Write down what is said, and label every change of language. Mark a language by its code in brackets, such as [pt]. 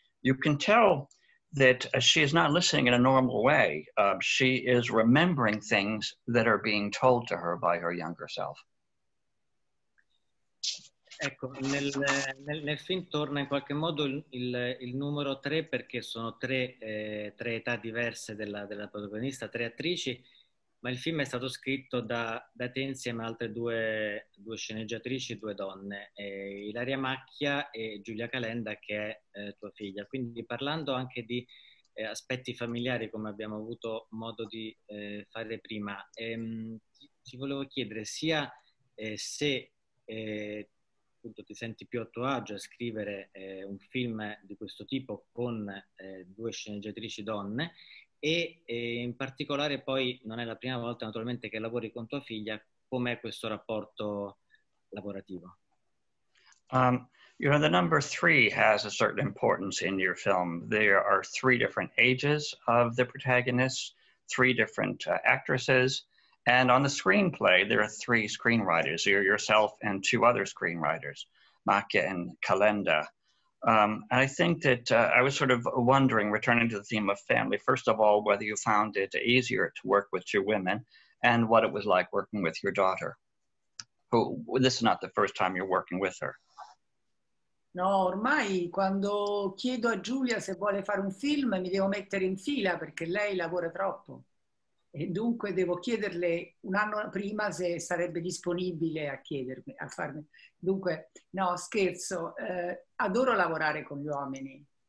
[en] You can tell that she is not listening in a normal way. She is remembering things that are being told to her by her younger self. [it] Ecco, nel film torna in qualche modo il numero tre, perché sono tre età diverse della protagonista, tre attrici, ma il film è stato scritto da te insieme a altre due sceneggiatrici, due donne, Ilaria Macchia e Giulia Calenda, che è tua figlia. Quindi parlando anche di aspetti familiari, come abbiamo avuto modo di fare prima, ti volevo chiedere sia se appunto ti senti più a tuo agio a scrivere un film di questo tipo con due sceneggiatrici donne, e in particolare poi non è la prima volta naturalmente che lavori con tua figlia, com'è questo rapporto lavorativo? [en] You know, the number three has a certain importance in your film. There are three different ages of the protagonists, three different actresses, and on the screenplay there are three screenwriters, you're yourself and two other screenwriters, Macchia and Calenda. And I think that I was sort of wondering, returning to the theme of family, first of all, whether you found it easier to work with two women and what it was like working with your daughter, who this is not the first time you're working with her. [it] No, ormai quando chiedo a Giulia se vuole fare un film mi devo mettere in fila perché lei lavora troppo. E dunque devo chiederle un anno prima se sarebbe disponibile a chiedermi, a farmi. Dunque, no, scherzo, adoro lavorare con gli uomini.